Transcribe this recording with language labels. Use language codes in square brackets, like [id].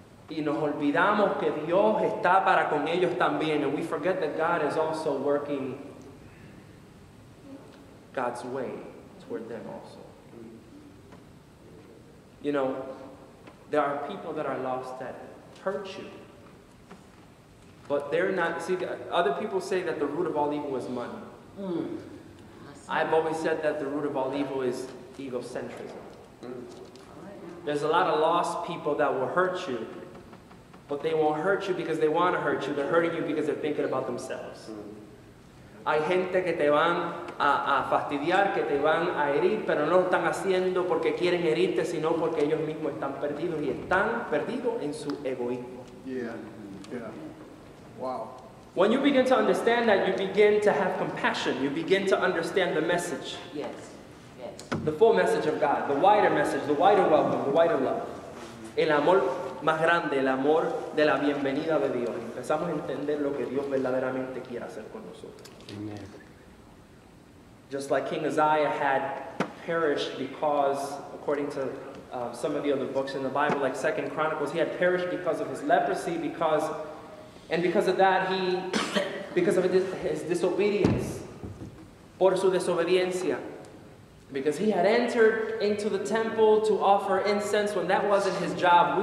[es] Y nos olvidamos que Dios está para con ellos también. [en] And we forget that God is also working God's way toward them also. You know, there are people that are lost that hurt you. But they're not, see, other people say that the root of all evil is money. I've always said that the root of all evil is egocentrism. There's a lot of lost people that will hurt you, but they won't hurt you because they want to hurt you. They're hurting you because they're thinking about themselves. [es] Hay gente que te van a fastidiar, que te van a herir, pero no lo están haciendo porque quieren herirte, sino porque ellos mismos están perdidos y están perdidos en su egoísmo. [en] Yeah. Wow. When you begin to understand that, you begin to have compassion. You begin to understand the message. Yes. The full message of God, the wider message, the wider welcome, the wider love. [es] El amor más grande, el amor de la bienvenida de Dios. Empezamos a entender lo que Dios verdaderamente quiere hacer con nosotros. [en] Amen. Just like King Uzziah had perished because, according to some of the other books in the Bible, like 2 Chronicles, he had perished because of his leprosy, because of his disobedience, [es] por su desobediencia, [en] because he had entered into the temple to offer incense when that wasn't his job.